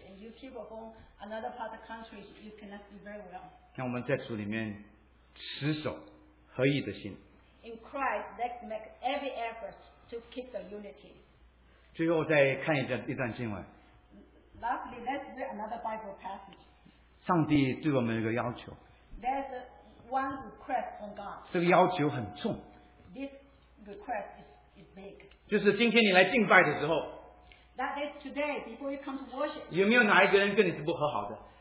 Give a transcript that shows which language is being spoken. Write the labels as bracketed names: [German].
[English] And you people from another part of the country, you cannot speak very well. [Chinese] 那我们在主里面持守合一的心。 [English] In Christ, let's make every effort to keep the unity. [Chinese] 最后再看一段经文。 [English] Lastly, let's read another Bible passage. [Chinese] 上帝对我们有个要求。 [English] There's one request from God. [Chinese] 这个要求很重。 [English] This request is big. [Chinese] 就是今天你来敬拜的时候。 [English] That is today, before you come to worship. [Chinese] 有没有哪一个人跟你是不和好的？